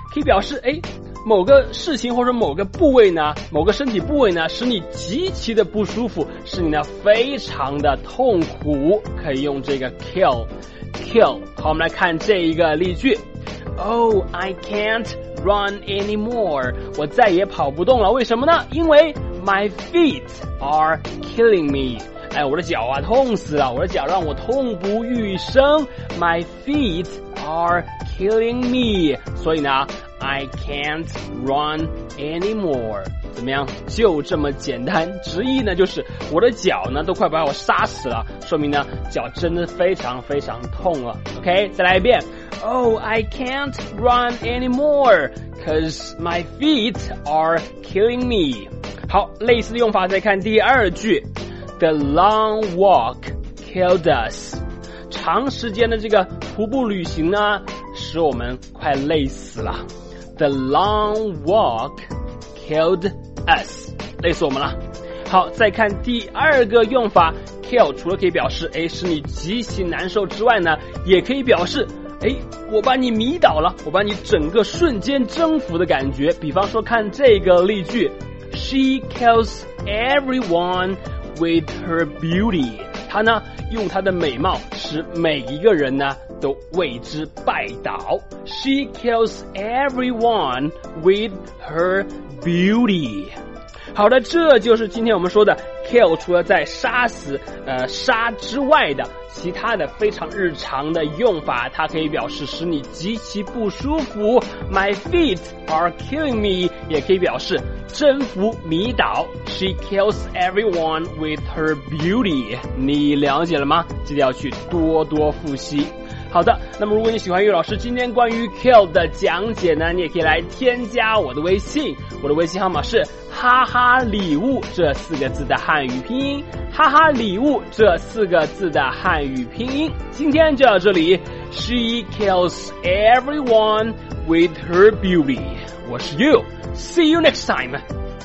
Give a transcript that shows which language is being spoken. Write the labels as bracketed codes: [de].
[zh] 可以表示某个事情或者某个部位呢，某个身体部位呢，使你极其的不舒服，使你呢非常的痛苦，可以用这个 kill。好，我们来看这一个例句。 [en] Oh, I can't run anymore. [zh] 我再也跑不动了，为什么呢？因为 [en] my feet are killing me. [zh] 哎，我的脚啊，痛死了，我的脚让我痛不欲生。 [en] My feet are killing me. [zh] 所以呢 [en] I can't run anymore. [zh] 怎么样？就这么简单，直译呢就是我的脚呢都快把我杀死了，说明呢脚真的非常非常痛了。 OK， 再来一遍。 [en] Oh, I can't run anymore, cause my feet are killing me. [zh] 好，类似的用法，再看第二句。 [en] The long walk killed us. [zh] 长时间的这个徒步旅行呢，使我们快累死了。 [en] The long walk killed us， [zh] 累死我们了。好，再看第二个用法 ，kill 除了可以表示使你极其难受之外呢，也可以表示我把你迷倒了，我把你整个瞬间征服的感觉。比方说，看这个例句 ， [en] She kills everyone with her beauty， [zh] 她呢用她的美貌使每一个人呢。都为之拜倒。 [en] She kills everyone with her beauty. [zh] 好的，这就是今天我们说的 kill 除了在杀死杀之外的其他的非常日常的用法，它可以表示使你极其不舒服。 [en] My feet are killing me [zh] 也可以表示征服迷倒。 [en] She kills everyone with her beauty. [zh] 你了解了吗？记得要去多多复习。好的，那么如果你喜欢悠悠老师今天关于 kill 的讲解呢，你也可以来添加我的微信，我的微信号码是哈哈礼物这四个字的汉语拼音，哈哈礼物这四个字的汉语拼音。今天就到这里， [en] She kills everyone with her beauty. [zh] 我是 [en] You, See you next time.